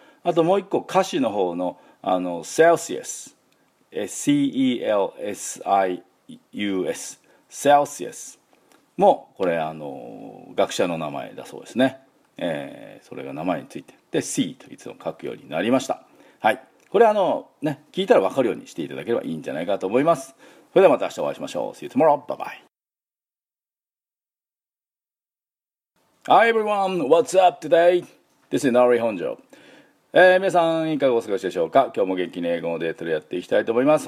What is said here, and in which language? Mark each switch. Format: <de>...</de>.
<ja>あともう一個歌詞の方のセルシウス、CELSIUS、 セルシウスもこれ学者の名前だそうですね、それが名前についてで C といつも書くようになりました。はい、これね、聞いたら分かるようにしていただければいいんじゃないかと思います。それではまた明日お会いしましょう。</ja> <en>See you tomorrow, bye bye. Hi everyone, what's up today? This is Nari Honjo.</en> <ja>皆さんいかがお過ごしでしょうか。今日も元気に英語のデートでやっていきたいと思います。</ja>